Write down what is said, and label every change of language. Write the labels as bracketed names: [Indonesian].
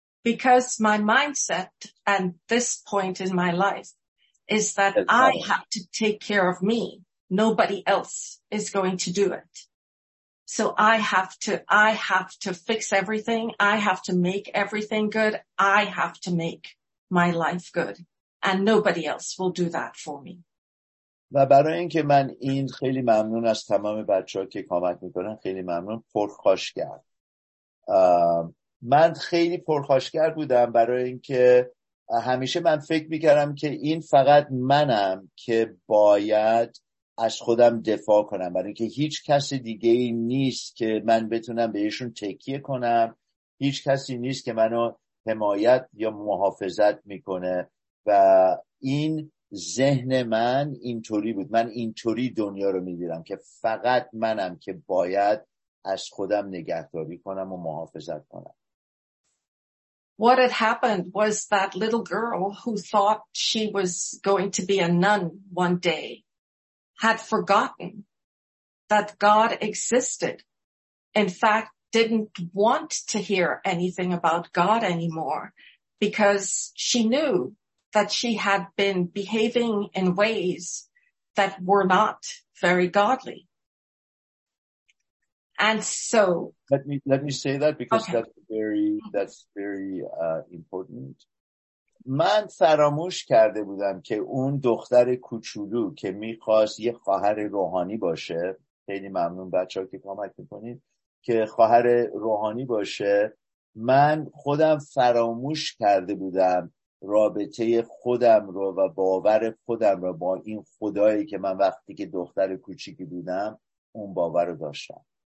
[English] Because my mindset and this point in my life is that I have to take care of me. Nobody else is going to do it. So I have to fix everything. I have to make everything good. I have to make my life good. And nobody else will do that for me. [Persian] و برای اینکه من این خیلی ممنون از تمام بچه‌ها که کمک می‌کنن، خیلی ممنون، پرخاشگر. من خیلی پرخاشگر بودم برای اینکه همیشه من فکر می‌کردم که این فقط منم که باید از خودم دفاع کنم، برای اینکه هیچ کس دیگه‌ای نیست که من بتونم بهشون تکیه کنم، هیچ کسی نیست که منو حمایت یا محافظت می‌کنه و این ذهن من اینطوری بود. من اینطوری دنیا رو می‌دیدم که فقط منم که باید از خودم نگهداری کنم و محافظت کنم. [English] What had happened was that little girl who thought she was going to be a nun one day had forgotten that God existed. In fact, didn't want to hear anything about God anymore because she knew that she had been behaving in ways that were not very godly. And so let me say that because okay. that's very important. [Persian] من فراموش کرده بودم که اون دختر کوچولو که میخواست یه خواهر روحانی باشه، خیلی ممنون بچه‌ها که کمک می‌کنید که خواهر روحانی باشه، من خودم فراموش کرده بودم رابطه خودم رو و باور خودم رو با این خدایی که من وقتی که دختر کوچیکی بودم اون باور رو داشتم.